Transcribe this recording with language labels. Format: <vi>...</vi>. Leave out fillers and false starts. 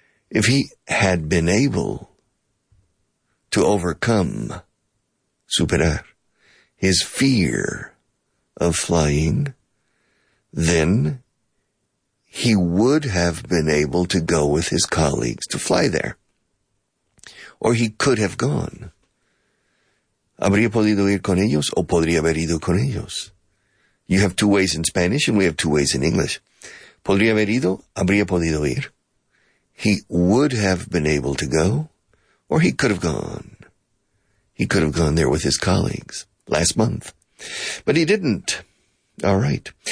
<en>If he had been able to overcome, superar, his fear of flying, then he would have been able to go with his colleagues to fly there. Or he could have gone.</en> <es>¿Habría podido ir con ellos o podría haber ido con ellos?</es> <en>You have two ways in Spanish and we have two ways in English.</en> <es>¿Podría haber ido? ¿Habría podido ir?</es> <en>He would have been able to go, or he could have gone. He could have gone there with his colleagues last month. But he didn't. All right.</en>